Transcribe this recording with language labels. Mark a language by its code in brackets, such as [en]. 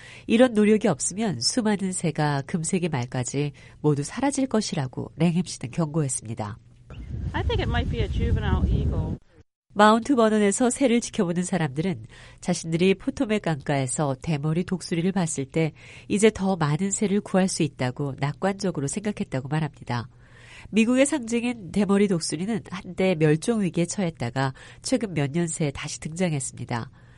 [ko] 이런 노력이 없으면 수많은 새가 금세기 말까지 모두 사라질 것이라고 랭햄 씨는 경고했습니다. [en] I think it might be a juvenile eagle. [ko] 마운트 버넌에서 새를 지켜보는 사람들은 자신들이 포토맥 강가에서 대머리 독수리를 봤을 때 이제 더 많은 새를 구할 수 있다고 낙관적으로 생각했다고 말합니다. 미국의 상징인 대머리 독수리는 한때 멸종 위기에 처했다가 최근 몇 년 새 다시 등장했습니다.